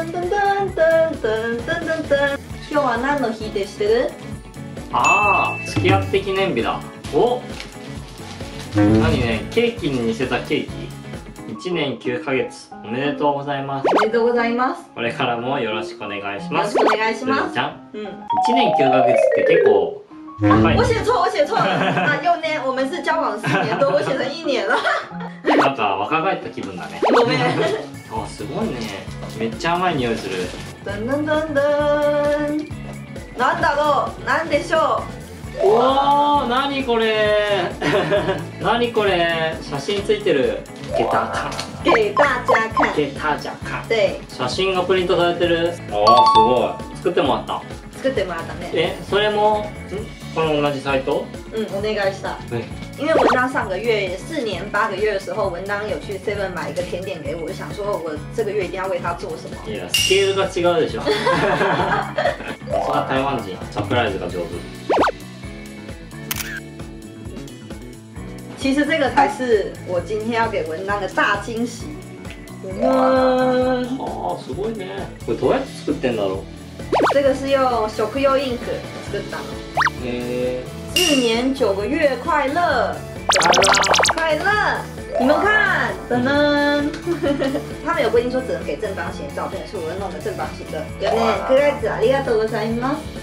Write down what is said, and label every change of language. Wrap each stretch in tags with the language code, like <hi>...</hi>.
<ja>んどんどんどんどんどんどんどん。今日は何の日でしてる？あー、付き合って記念日だ。お、なにね、ケーキに似せたケーキ。 1年9ヶ月、おめでとうございます。おめでとうございます。これからもよろしくお願いします。よろしくお願いします。ちゃん、1年9ヶ月って結構、</ja> <zh>あ、我写错，我写错了。那六年，我们是交往四年多，我写成一年了。</zh> <ja>なんか若返った気分だね。ごめん。あ、すごいね。めっちゃ甘い匂いする。どんどんどんどん。なんだろう、なんでしょう。うわー、なにこれ。なにこれ。写真ついてる。</ja> <zh>给大家看。给大家看。给大家看。对。</zh> <ja>写真がプリントされてる。あー、すごい。作ってもらった。作ってもらったね。え、それも、この同じサイト？お願いした。</ja> <zh>因为文章上个月四年八个月的时候，文章有去 Seven 买一个甜点给我，想说我这个月一定要为他做什么。</zh> <ja>いや、スケールが違うでしょ。それは台湾人、サプライズが上手。</ja> <zh>其实这个才是我今天要给文章的大惊喜。哇，</zh> <ja>啊，すごいね。これどうやって作ってんだろう？</ja> <zh>这个是用</zh> <ja>食用インク作ったの。</ja> <zh>四年九个月快乐，快乐！你们看，等等，他们有规定说只能给正方形照片，所以我弄了正方形的。有呢，可爱子，</zh> <ja>ありがとうございます。</ja>